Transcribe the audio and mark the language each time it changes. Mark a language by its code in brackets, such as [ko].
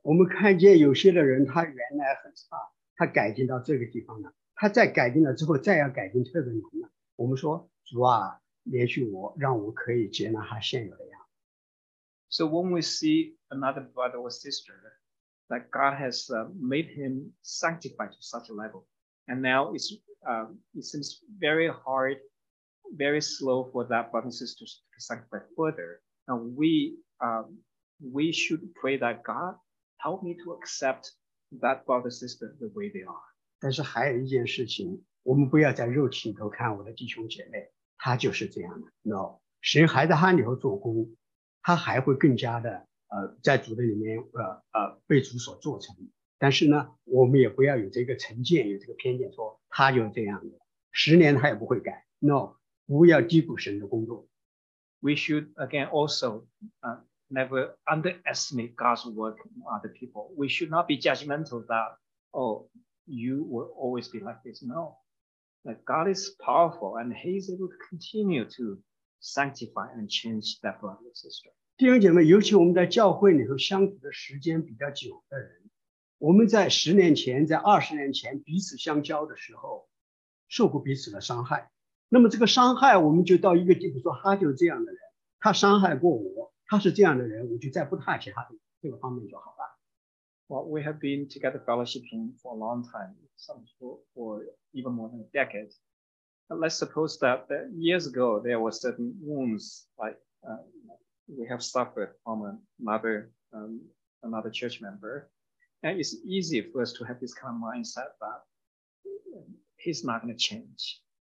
[zh] 我们看见有些的人，他原来很差，他改进到这个地方了。他再改进了之后，再要改进特别难了。我们说，主啊，连续我，让我可以接纳他现有的样。 [en] So when we see another brother or sister that God has made him sanctified to such a level. And now it seems very hard, very slow for that brother and sister to sanctify further. And we should pray that God help me to accept that brother and sister the way they are. [zh] 但是还有一件事情，我们不要在肉体里头看我的弟兄姐妹，他就是这样的。 [en] No, [zh] 神还在他里头做工，他还会更加的在主的里面被主所做成。但是呢，我们也不要有这个成见，有这个偏见，说他就是这样的，十年他也不会改。 [en] No, [zh] 不要低估神的工作。 [en] we should again also never underestimate God's work in other people. We should not be judgmental that, oh, you will always be like this. No, that God is powerful and he's able to continue to sanctify and change that brother and sister. [zh] 弟兄姐妹, 尤其我们在教会里头相处的时间比较久的人, 我们在10年前, 在20年前, 彼此相交的时候, 受过彼此的伤害。那么这个伤害我们就到一个地步说他就是这样的人, 他伤害过我, 他是这样的人, 我就再不太写他这个方面就好了。 [en] Well, we have been together fellowshipping for a long time, for even more than a decade. But let's suppose that years ago, there were certain wounds, like we have suffered from another church member. And it's easy for us to have this kind of mindset that he's not going to change.